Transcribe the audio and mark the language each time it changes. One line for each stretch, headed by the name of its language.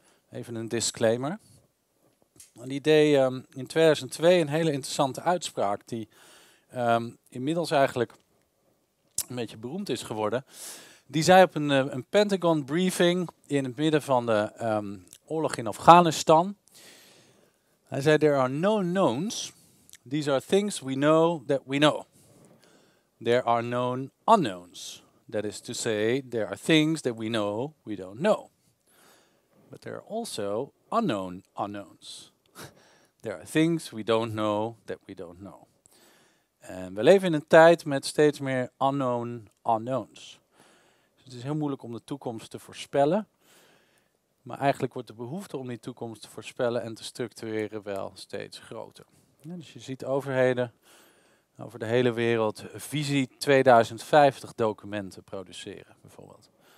Dutch: Even een disclaimer. Die deed in 2002 een hele interessante uitspraak die inmiddels eigenlijk een beetje beroemd is geworden. Die zei op een Pentagon briefing in het midden van de oorlog in Afghanistan. Hij zei,
English: there are no knowns. These are things we know that we know. There are known unknowns. That is to say, there are things that we know we don't know. But there are also unknown unknowns. There are things we don't know that we don't know.
Dutch: En we leven in een tijd met steeds meer
English: unknown unknowns.
Dutch: Dus het is heel moeilijk om de toekomst te voorspellen. Maar eigenlijk wordt de behoefte om die toekomst te voorspellen en te structureren wel steeds groter. Ja, dus je ziet overheden over de hele wereld visie 2050 documenten produceren, bijvoorbeeld.